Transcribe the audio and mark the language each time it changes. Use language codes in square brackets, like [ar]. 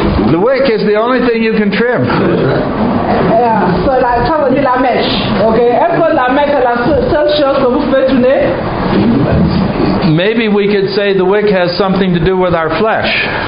[en] The wick is the only thing you can trim. [fr] Yeah. So ça veut dire la mèche. Okay. Est-ce que la mèche est la seule chose que vous pouvez trimer? [en] Maybe we could say the wick has something to do with our flesh.